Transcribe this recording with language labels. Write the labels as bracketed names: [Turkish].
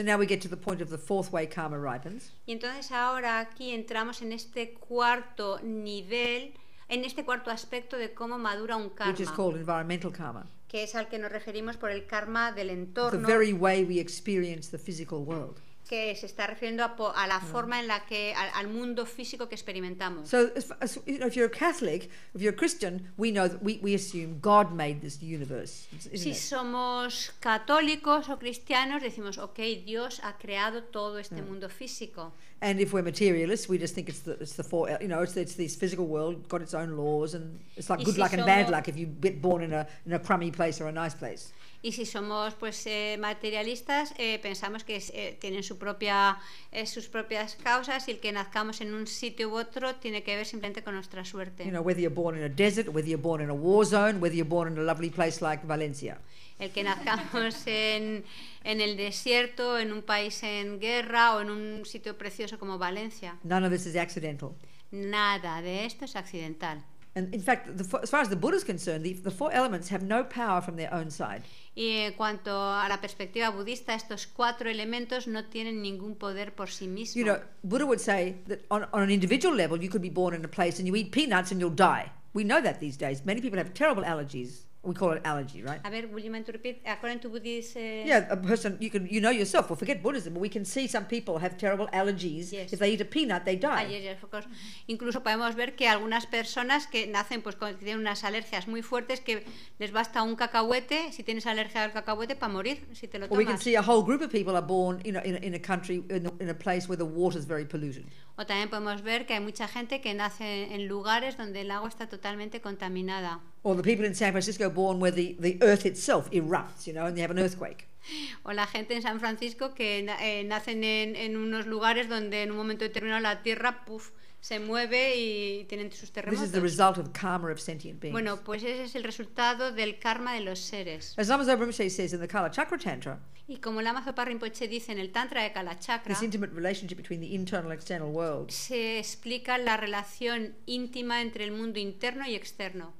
[English] So now we get to the point of the fourth way karma ripens. [Spanish] Y entonces ahora aquí entramos en este cuarto nivel, en este cuarto aspecto de cómo madura un karma, [English] which is called environmental karma. [Spanish] Que es al que nos referimos por el karma del entorno, [English] the very way we experience the physical world. [Spanish] Que se está refiriendo a la forma en la que al mundo físico que experimentamos. [English] So if you're a Catholic, if you're a Christian, we know that we assume God made this universe. [Spanish] Si somos católicos o cristianos, decimos, okay, Dios ha creado todo este mundo físico. [English] And if we're materialists, we just think it's the four, you know, it's this physical world, got its own laws, and it's like good luck and bad luck if you get born in a crummy place or a nice place. [Spanish] Y si somos pues materialistas, pensamos que tienen sus propias causas, y el que nazcamos en un sitio u otro tiene que ver simplemente con nuestra suerte. [English] You know, whether you're born in a desert, whether you're born in a war zone, whether you're born in a lovely place like Valencia. [Spanish] El que nazcamos en el desierto, en un país en guerra o en un sitio precioso como Valencia. [English] None of this is accidental. [Spanish] Nada de esto es accidental. [English] And in fact, as far as the Buddha is concerned, the four elements have no power from their own side. [Spanish] Y en cuanto a la perspectiva budista, estos cuatro elementos no tienen ningún poder por sí mismos. [English] You know, Buddha would say that on an individual level, you could be born in a place and you eat peanuts and you'll die. We know that these days. Many people have terrible allergies. We call it allergy, right? [Spanish] A ver, [English] will you mind to repeat? According to Buddhists, a person, you know yourself. Well, forget Buddhism, but we can see some people have terrible allergies. Yes. If they eat a peanut, they die. Yes, of course. [Spanish] Incluso podemos ver que algunas personas que nacen pues tienen unas alergias muy fuertes, que les basta un cacahuete, si tienes alergia al cacahuete, para morir si te lo tomas. [English] Or we can see a whole group of people are born, you know, in a country in a place where the water is very polluted. [Spanish] O también podemos ver que hay mucha gente que nace en lugares donde el agua está totalmente contaminada. [English] Or the people in San Francisco born where the earth itself erupts, you know, and they have an earthquake. [Spanish] O la gente en San Francisco que nacen en unos lugares donde en un momento determinado la tierra se mueve y tienen sus terremotos. [English] This is the result of karma of sentient beings. [Spanish] Bueno, pues ese es el resultado del karma de los seres. [English] As Lama Zopa Rinpoche says in the Kala Chakra Tantra. [Spanish] Y como Lama Zopa Rinpoche dice en el Tantra de Kala Chakra. [English] This intimate relationship between the internal and external world. [Spanish] Se explica la relación íntima entre el mundo interno y externo.